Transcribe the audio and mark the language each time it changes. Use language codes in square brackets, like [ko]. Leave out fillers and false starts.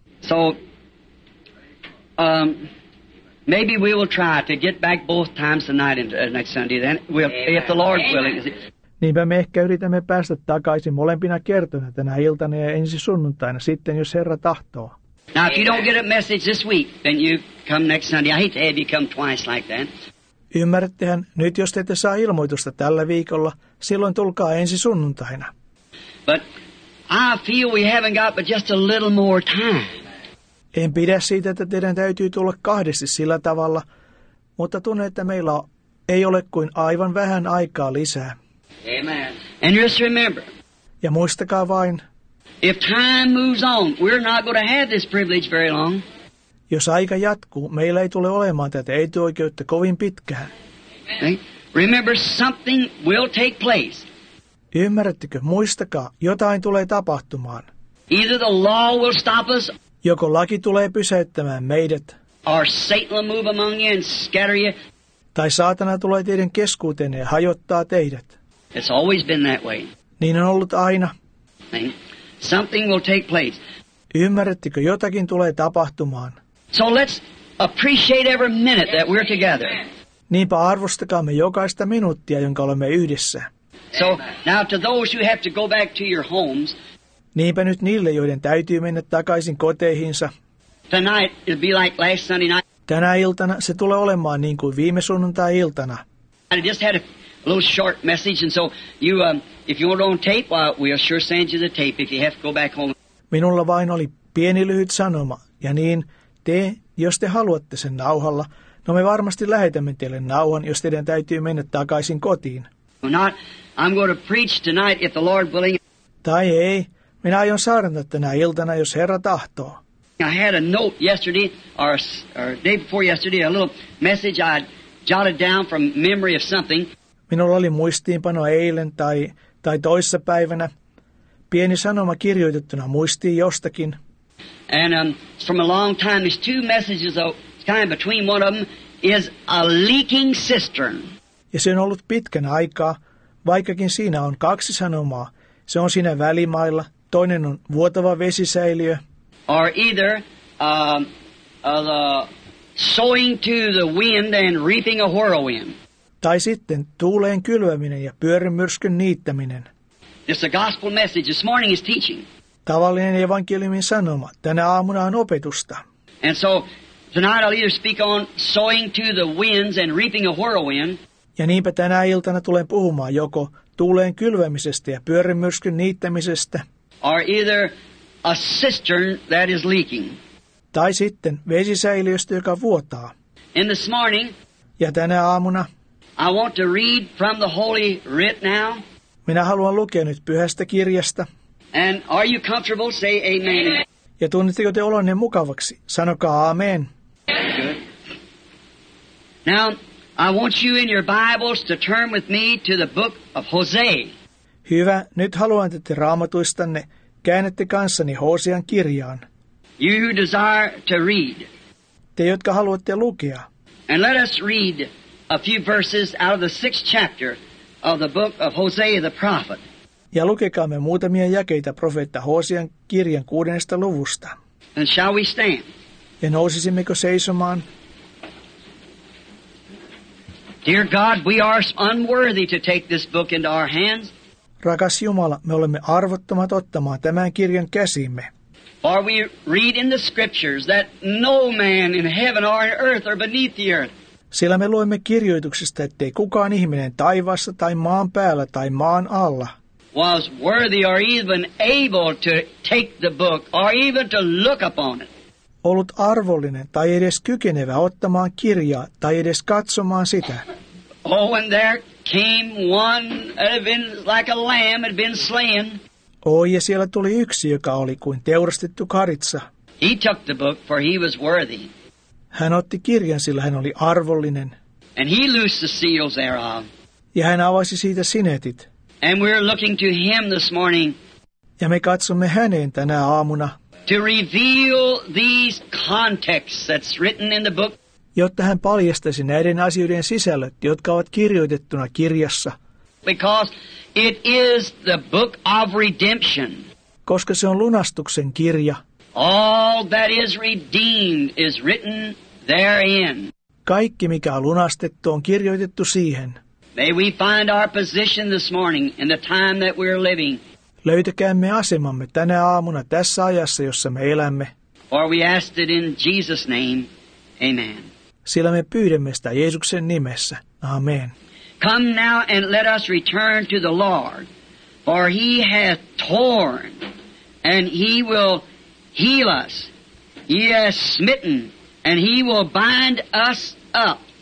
[en] So, maybe we will try to get back both times tonight and next Sunday, then we'll, if the Lord willing. [fi] Niinpä me ehkä yritämme päästä takaisin molempina kertoina tänä iltana ja ensi sunnuntaina, sitten jos Herra tahtoo. [en] Now, if you don't get a message this week, then you come next Sunday. I hate to have you come twice like that. [fi] Ymmärrettehän, nyt jos te ette saa ilmoitusta tällä viikolla, silloin tulkaa ensi sunnuntaina. [en] But I feel we haven't got but just a little more time. [fi] En pidä siitä, että teidän täytyy tulla kahdesti sillä tavalla, mutta tunne, että meillä ei ole kuin aivan vähän aikaa lisää. [en] Amen. And just remember. [fi] Ja muistakaa vain. [en] If time moves on, we're not going to have this privilege very long. [fi] Jos aika jatkuu, meillä ei tule olemaan tätä etuoikeutta kovin pitkään. [en] Remember, something will take place. [fi] Ymmärrättekö? Muistakaa, jotain tulee tapahtumaan. [en] Either the law will stop us. [fi] Joko laki tulee pysäyttämään meidät. [en] Or Satan will move among you and scatter you. [fi] Tai saatana tulee teidän keskuuteen ja hajottaa teidät. [en] It's always been that way. [fi] Niin on ollut aina. [en] Something will take place. [fi] Ymmärrättekö? Jotakin tulee tapahtumaan. [en] So let's appreciate every minute that we're together. [fi] Niinpä arvostakaamme jokaista minuuttia, jonka olemme yhdessä. [en] So now to those who have to go back to your homes. [fi] Niinpä nyt niille, joiden täytyy mennä takaisin koteihinsa. [en] Tonight it'll be like last Sunday night. [fi] Tänä iltana se tulee olemaan niin kuin viime sunnuntai-iltana. [en] I just had a little short message, and so you, if you want it on tape, we'll sure send you the tape if you have to go back home. [fi] Minulla vain oli pieni lyhyt sanoma, ja niin, te, jos te haluatte sen nauhalla, no me varmasti lähetämme teille nauhan, jos teidän täytyy mennä takaisin kotiin. [en] Not, I'm going to preach tonight if the Lord willing. [fi] Tai ei. Minä aion saarnata tänä iltana, jos Herra tahtoo. [en] I had a note yesterday, or day before yesterday, a little message I jotted down from memory of something. [fi] Minulla oli muistiinpano eilen tai toissa päivänä. Pieni sanoma kirjoitettuna muistiin jostakin. [en] And from a long time, these two messages of time between one of them is a leaking cistern. [fi] Ja se on ollut pitkän aikaa, vaikkakin siinä on kaksi sanomaa. Se on siinä välimailla. Toinen on vuotava vesisäiliö. [en] Or either the sowing to the wind and reaping a whirlwind. [fi] Tai sitten tuuleen kylväminen ja pyörimyrskyn niittäminen. [en] It's a gospel message. This morning is teaching. [fi] Tavallinen evankeliumin sanoma. Tänä aamuna on opetusta. [en] And so tonight I'll either speak on sowing to the winds and reaping a whirlwind. [fi] Ja niinpä tänä iltana tulen puhumaan joko tuuleen kylvämisestä ja pyörimyrskyn niittämisestä. [en] Or either a cistern that is leaking. [fi] Tai sitten vesisäiliöstä, joka vuotaa. [en] In this morning, [fi] ja tänä aamuna. [en] I want to read from the Holy Writ now. [fi] Minä haluan lukea nyt pyhästä kirjasta. [en] And are you comfortable? Say amen. [fi] Ja tunnetteko te olonne mukavaksi? Sanokaa aamen. [en] Now, I want you in your Bibles to turn with me to the book of Hosea. [fi] Hyvä, nyt haluan, että te raamatuistanne käännette kanssani Hosean kirjaan. [en] You who desire to read. [fi] Te, jotka haluatte lukea. [en] And let us read a few verses out of the sixth chapter of the book of Hosea the prophet. [fi] Ja lukekaamme muutamia jakeita profeetta Hosean kirjan 6. luvusta. [en] And shall we stand? [fi] Ja nousisimmeko seisomaan? [en] Dear God, we are unworthy to take this book into our hands. [fi] Rakas Jumala, me olemme arvottomat ottamaan tämän kirjan käsimme. [en] For we read in the scriptures that no man in heaven or in earth or beneath the earth. [fi] Sillä me luemme kirjoituksesta, ettei kukaan ihminen taivaassa tai maan päällä tai maan alla [en] was worthy or even able to take the book or even to look upon it. [fi] Ollut arvollinen tai edes kykenevä ottamaan kirjaa tai edes katsomaan sitä. [en] Oh, and there came one that had been like a lamb had been slain. [fi] Oh, ja siellä tuli yksi, joka oli kuin teurastettu karitsa. [en] He took the book for he was worthy. [fi] Hän otti kirjan, sillä hän oli arvollinen. [en] And he loosed the seals thereof. [fi] Ja hän avasi siitä sinetit. [en] And we're looking to him this morning. [fi] Ja me katsomme häneen tänä aamuna. [en] To reveal these contexts that's written in the book. [fi] Jotta hän paljastaisi näiden asioiden sisällöt, jotka ovat kirjoitettuna kirjassa. [en] Because it is the book of redemption. [fi] Koska se on lunastuksen kirja. [en] All that is redeemed is written therein. [fi] Kaikki mikä on lunastettu on kirjoitettu siihen. [en] May we find our position this morning in the time that we're living. [fi] Löytäkäämme asemamme tänä aamuna tässä ajassa, jossa me elämme. [en] For we ask it in Jesus' name. Amen. [fi] Sillä me pyydämme sitä Jeesuksen nimessä. Amen. [en] Come now and let us return to the Lord, for he hath torn and he will heal us. He has smitten and he will bind us up.